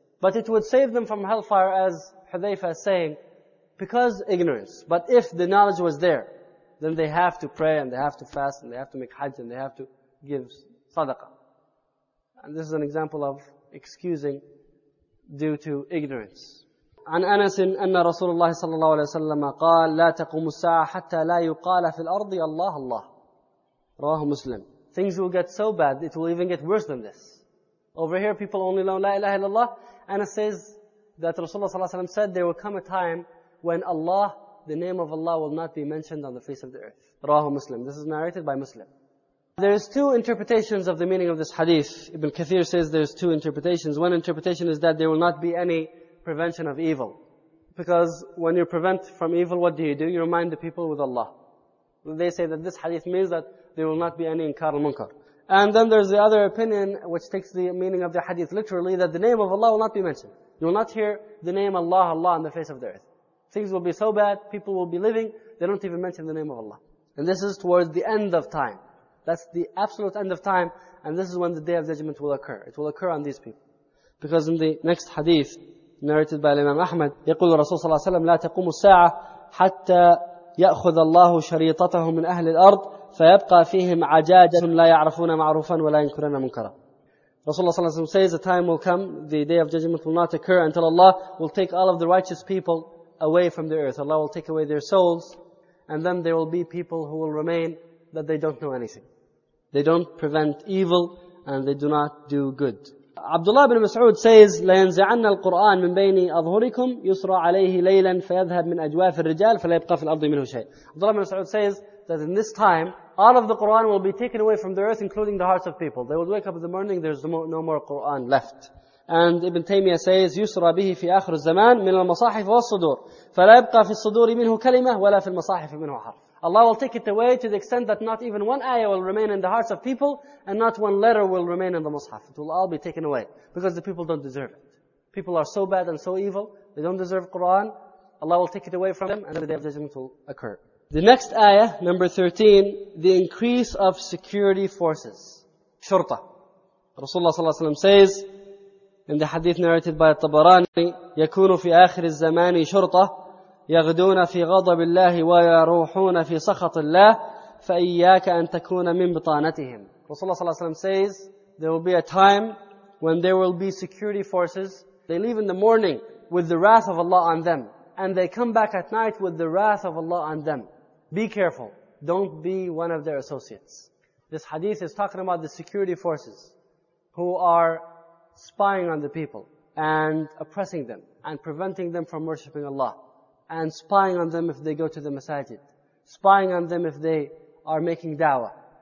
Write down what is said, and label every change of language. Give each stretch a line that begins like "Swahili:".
English: But it would save them from hellfire, as Hudhayfa is saying, because ignorance. But if the knowledge was there, then they have to pray and they have to fast and they have to make hajj and they have to give sadaqah. And this is an example of excusing due to ignorance.
Arabic: عن أنس أن رسول الله صلى الله عليه وسلم قال لا تقوم الساعة حتى لا يقال في الأرض الله الله رواه مسلم.
English: Things will get so bad, it will even get worse than this. Over here, people only know La ilaha illallah. Anas says that Rasulullah صلى الله عليه وسلم said there will come a time when Allah, the name of Allah, will not be mentioned on the face of the earth.
Arabic: رواه مسلم.
English: This is narrated by Muslim. There is two interpretations of the meaning of this hadith. Ibn Kathir says there is two interpretations. One interpretation is that there will not be any prevention of evil. Because when you prevent from evil, what do? You remind the people with Allah. They say that this hadith means that there will not be any inkar al-munkar. And then there's the other opinion, which takes the meaning of the hadith literally, that the name of Allah will not be mentioned. You will not hear the name Allah, Allah, on the face of the earth. Things will be so bad, people will be living, they don't even mention the name of Allah. And this is towards the end of time. That's the absolute end of time, and this is when the Day of Judgment will occur. It will occur on these people. Because in the next hadith, narrated by Imam Ahmad,
Arabic: يقول الرسول صلى الله عليه وسلم لا تقوم الساعة حتى يأخذ الله شريطته من أهل الأرض فيبقى فيهم عجاجة لا يعرفون معروفا ولا ينكرون منكرا.
English: Rasulullah صلى الله عليه وسلم says, the time will come, the Day of Judgment will not occur until Allah will take all of the righteous people away from the earth. Allah will take away their souls, and then there will be people who will remain that they don't know anything. They don't prevent evil and they do not do good.
Arabic: Abdullah ibn Mas'ud says, لَيَنْزِعَنَّ الْقُرْآنَ مِنْ بَيْنِ أَظْهُرِكُمْ يُسْرَى عَلَيْهِ لَيْلًا فَيَذْهَبْ مِنْ أَجْوَافِ الرِّجَالِ فَلَا يَبْقَى فِي الْأَرْضِ مِنْهُ شَيْءٍ.
English: Abdullah ibn Mas'ud says that in this time, all of the Qur'an will be taken away from the earth, including the hearts of people. They will wake up in the morning, there's no more Qur'an left.
Arabic: And Ibn Taymiyyah says, يُسْرَى بِهِ فِي آخِرِ الزَّمَانِ مِنَ الْمَصَاحِفِ وَالصُّدُورِ فَلَا يَبْقَى فِي الصُّدُورِ مِنْهُ كَلِمَةٌ وَلَا فِي الْمَصَاحِفِ مِنْهُ حَرْفٌ.
English: Allah will take it away to the extent that not even one ayah will remain in the hearts of people and not one letter will remain in the mushaf. It will all be taken away because the people don't deserve it. People are so bad and so evil, they don't deserve Quran. Allah will take it away from them and the Day of Judgment will occur. The next ayah, number 13, the increase of security forces. Shurta.
Arabic: Rasulullah sallallahu alayhi wa sallam says,
English: in the hadith narrated by Tabarani,
Arabic: يَكُونُ فِي آخِرِ الزَّمَانِ شُرْطَةً يَغْدُونَ فِي غَضَبِ اللَّهِ وَيَرُوحُونَ فِي سَخَطِ اللَّهِ فَإِيَّاكَ أَن تَكُونَ مِن بِطَانَتِهِمْ.
English: Rasulullah sallallahu alayhi wa sallam says, there will be a time when there will be security forces. They leave in the morning with the wrath of Allah on them. And they come back at night with the wrath of Allah on them. Be careful. Don't be one of their associates. This hadith is talking about the security forces who are spying on the people and oppressing them and preventing them from worshipping Allah and spying on them if they go to the masajid, spying on them if they are making dawah.